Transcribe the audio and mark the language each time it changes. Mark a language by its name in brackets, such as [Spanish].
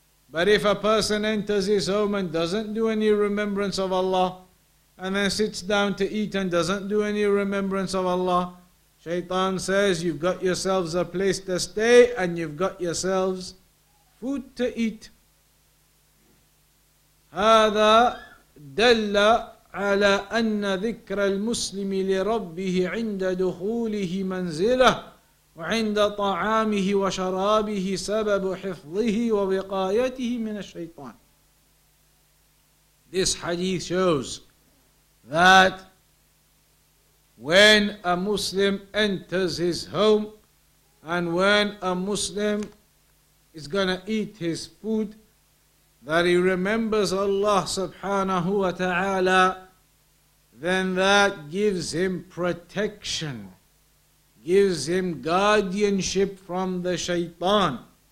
[English] But if a person enters his home and doesn't do any remembrance of Allah, and then sits down to eat and doesn't do any remembrance of Allah, shaitan says, you've got yourselves a place to stay and you've got yourselves food to eat. [Arabic] هذا دل على أن ذكر المسلم لربه عند دخوله منزله وعند طعامه وشرابه سبب حفظه ووقايته من الشيطان. [English] This hadith shows that when a Muslim enters his home and when a Muslim is going to eat his food, that he remembers Allah subhanahu wa ta'ala, then that gives him protection, gives him guardianship from the shaitan.